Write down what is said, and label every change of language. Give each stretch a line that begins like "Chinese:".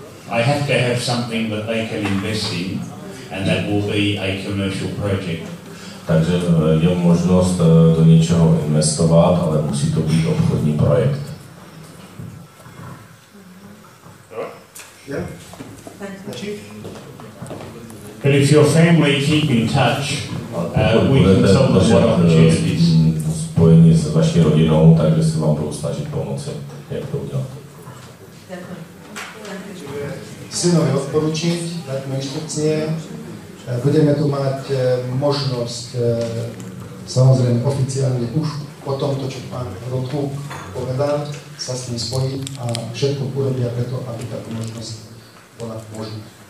English: I have to have something that they can invest in, and that will be a commercial project.
Czech: Takže je možnost do něčeho investovat, ale musí to být obchodní projekt.
English: But if your family keep in touch, we can tell them what opportunities.
Czech: Spojení s vaší rodinou, takže se vám budou snažit pomoci, jak to udělat.
Slovak: Synovi odporučiť, dať mu inštrukcie. Budeme tu mať možnosť samozrejme oficiálne už po tomto, čo pán Rotvuk povedal, sa s ním spojí a všetko urobia preto, aby táto možnosť bola možná.